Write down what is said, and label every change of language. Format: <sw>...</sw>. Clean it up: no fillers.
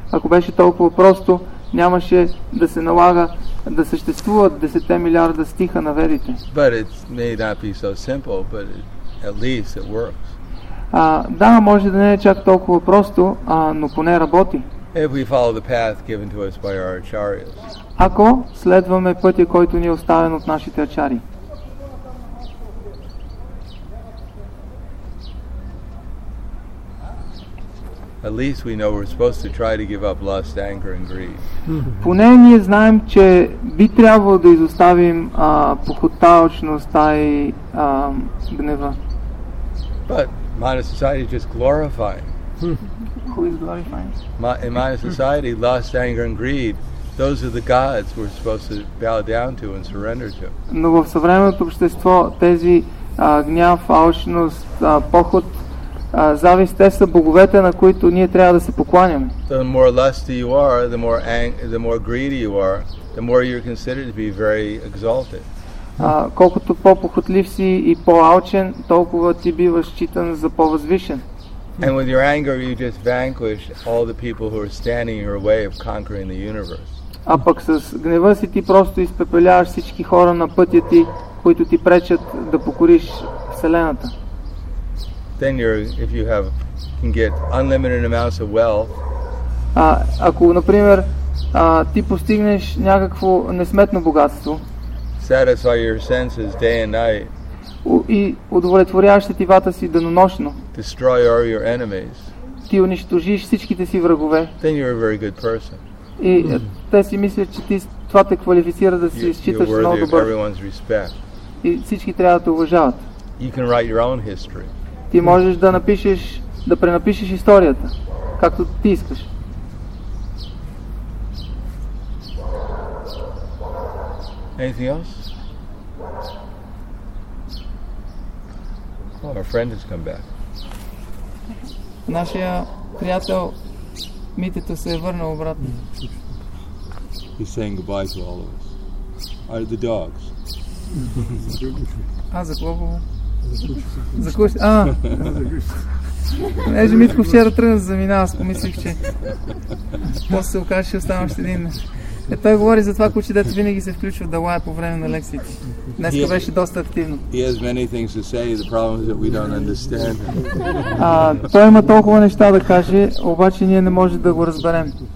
<bg>Ако беше толкова просто, нямаше да се налага да съществуват 10 милиарда стиха на ведите.</bg> <en>But it may not be so simple, but it, at least it works.</en> <bg>Да, може да не е чак толкова просто, но поне работи.</bg> <en>If we follow the path given to us by our acharyas.</en> <bg>Ако следваме пътя, който ни е оставен от нашите ачари.</bg> <en>At least we know we're supposed to try to give up lust, anger and greed.</en> <bg>Поне ние знаем, че би трябвало да изоставим похотта, алчността и гнева.</bg> <en>But modern society is just glorifying. Who is glorifying? In modern society, lust, anger and greed, those are the gods we're supposed to bow down to and surrender to.</en> <bg>Но в съвременното общество тези гняв, алчност, похот, завист, те са боговете, на които ние трябва да се покланяме.</bg> <en>The more lusty you are, the more greedy you are, the more you're considered to be very exalted.</en> <bg>Колкото по-похотлив си и по-алчен, толкова ти биваш считан за по-възвишен.</bg> <en>And with your anger, you just vanquish all the people who are standing in your way of conquering the universe.</en> <bg>А пък с гнева си ти просто изпепеляваш всички хора на пътя ти, които ти пречат да покориш Вселената.</bg> <en>Then you're, if you have, can get unlimited amounts of wealth.</en> <bg>Ако, например, ти постигнеш някакво несметно богатство,</bg> <en>satisfy your senses day and night,</en> <bg>и удовлетворяваш сетивата си денонощно,</bg> <en>destroy all your enemies,</en> <bg>ти унищожиш всичките си врагове,</bg> <en>then you're a very good person.</en> <bg>И те си мислят, че ти, това те квалифицира да си считаш много добър. И всички трябва да те уважават.</bg> <en>You can write your own history.</en> <bg>Ти можеш да напишеш, да пренапишеш историята, както ти искаш.</bg> <en>Anything else? Oh, our friend has come back.</en> <bg>Нашия приятел Митето се е върнал обратно.</bg> <en>He's saying goodbye to all of us. Are the dogs?</en> <bg>А за кого? За кого? А. Еже Митко вчера тръгна за мина, аз помислих, че после се окажа, че оставам още един. Е, той говори за това, куче, дето винаги се включва да лая по време на лекциите. Днеска беше доста активно.</bg> <en>He has many things to say, the problem is that we don't understand.</en> <bg>А, той има толкова неща да каже, обаче ние не можем да го разберем.</bg>